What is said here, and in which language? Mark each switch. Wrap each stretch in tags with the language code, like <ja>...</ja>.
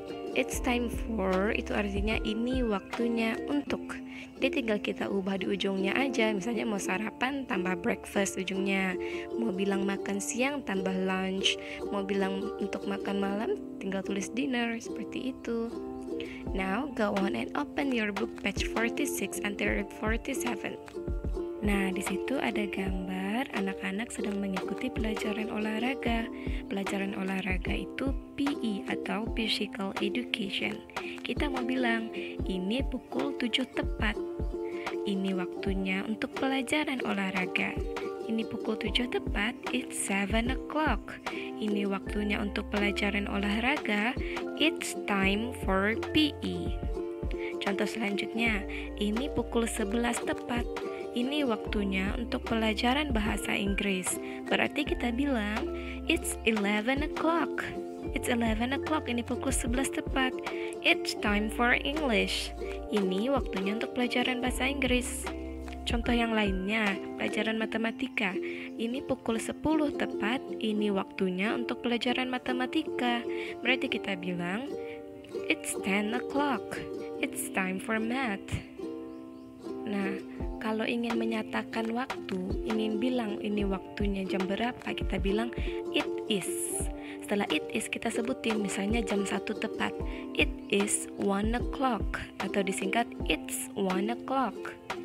<en>It's time for</en> <id>itu artinya ini waktunya untuk. Jadi tinggal kita ubah di ujungnya aja. Misalnya mau sarapan tambah breakfast ujungnya, mau bilang makan siang tambah lunch, mau bilang untuk makan malam tinggal tulis dinner, seperti itu.</id> <en>Now go on and open your book page 46 until 47.</en> <id>Nah, di situ ada gambar anak-anak sedang mengikuti pelajaran olahraga. Pelajaran olahraga itu PE atau physical education. Kita mau bilang ini pukul 7 tepat. Ini waktunya untuk pelajaran olahraga. Ini pukul 7 tepat,</id> <en>it's 7 o'clock.</en> <id>Ini waktunya untuk pelajaran olahraga,</id> <en>it's time for PE.</en> <id>Contoh selanjutnya, ini pukul 11 tepat. Ini waktunya untuk pelajaran bahasa Inggris. Berarti kita bilang,</id> <en>it's 11 o'clock. It's 11 o'clock,</en> <id>ini pukul 11 tepat.</id> <en>It's time for English.</en> <id>Ini waktunya untuk pelajaran bahasa Inggris. Contoh yang lainnya, pelajaran matematika. Ini pukul 10 tepat, ini waktunya untuk pelajaran matematika. Berarti kita bilang,</id> <en>it's 10 o'clock, it's time for math.</en> <id>Nah, kalau ingin menyatakan waktu, ingin bilang ini waktunya jam berapa, kita bilang</id> <en>it is.</en> <id>Setelah</id> <en>it is,</en> <id>kita sebutin misalnya jam 1 tepat.</id> <en>It is 1 o'clock,</en> <id>atau disingkat</id> <en>it's 1 o'clock.</en>